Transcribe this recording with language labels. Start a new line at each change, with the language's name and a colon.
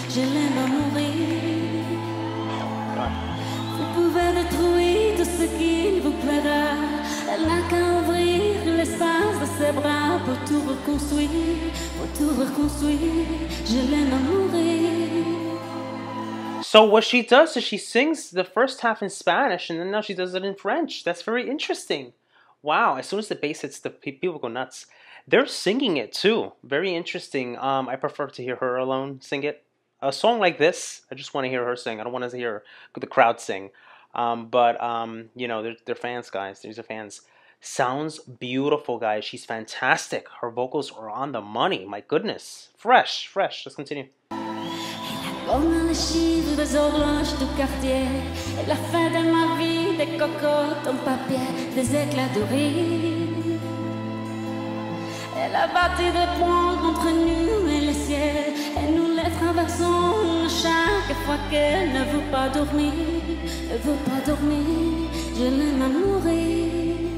French: Je l'aime à mourir. Vous pouvez détruire tout ce qu'il vous plaira. Elle n'a qu'à ouvrir l'espace de ses bras pour tout reconstruire. Pour tout reconstruire. Je l'aime à mourir.
English: So what she does is she sings the first half in Spanish and then now she does it in French. That's very interesting. Wow, as soon as the bass hits, the people go nuts. They're singing it too. Very interesting. I prefer to hear her alone sing it. A song like this, I just want to hear her sing. I don't want to hear the crowd sing. You know, they're fans, guys. These are fans. Sounds beautiful, guys. She's fantastic. Her vocals are on the money. My goodness. Fresh, fresh. Let's continue.
French: Comme un léchive des eaux blanches du quartier, et la fin de ma vie des cocottes en papier, des éclats de rire. Elle a bâti des ponts entre nous et le ciel, et nous les traversons chaque fois qu'elle ne veut pas dormir, ne veut pas dormir, je l'aime à mourir.